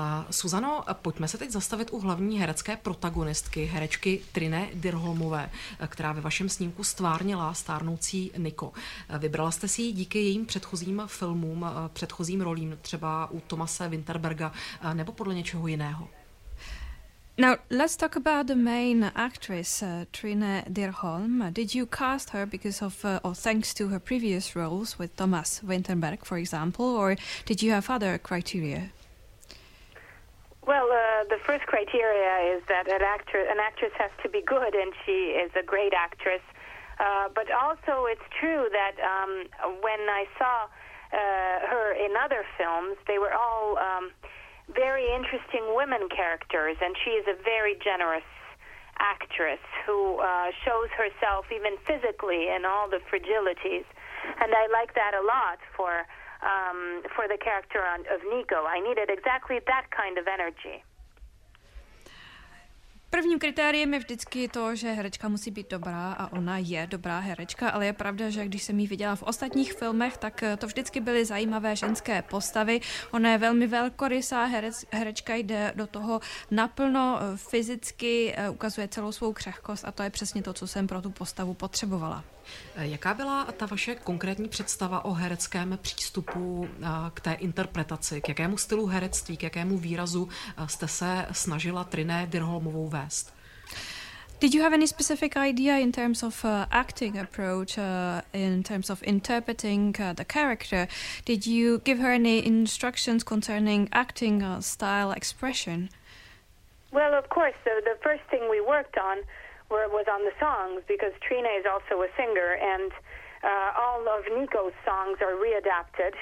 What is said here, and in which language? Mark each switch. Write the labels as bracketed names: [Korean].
[Czech] Susano, pojďme se teď zastavit u hlavní herecké protagonistky, herečky Trine Dirholmové, která ve vašem snímku stvárnila stárnoucí Nico. Vybrala jste si ji díky jejím předchozím filmům, předchozím rolím, třeba u Tomase Winterberga, nebo podle něčeho jiného? [English] Now, let's talk about the main actress, Trine Dirholm. Did you cast her because of, or thanks to her previous roles with Tomas Winterberg, for example, or did you have other criteria? Well, the first criteria is that an actress has to be good, and she is a great actress. But also, it's true that when I saw her in other films, they were all very interesting women characters, and she is a very generous actress who shows herself even physically in all the fragilities. And I like that a lot for the character of Nico. I needed exactly that kind of energy. [Czech] Prvním kritériem je vždycky to, že herečka musí být dobrá a ona je dobrá herečka, ale je pravda, že když jsem ji viděla v ostatních filmech, tak to vždycky byly zajímavé ženské postavy. Ona je velmi velkorysá, herečka jde do toho naplno, fyzicky ukazuje celou svou křehkost a to je přesně to, co jsem pro tu postavu potřebovala. Jaká byla ta vaše konkrétní představa o hereckém přístupu k té interpretaci, k jakému stylu herectví, k jakému výrazu jste se snažila Trine Dirholmovou vést? [English] Did you have any specific idea in terms of acting approach, in terms of interpreting the character? Did you give her any instructions concerning acting style expression? Well, of course, the first thing we worked on was on the songs, because Trine is also a singer, and all of Nico's songs are readapted.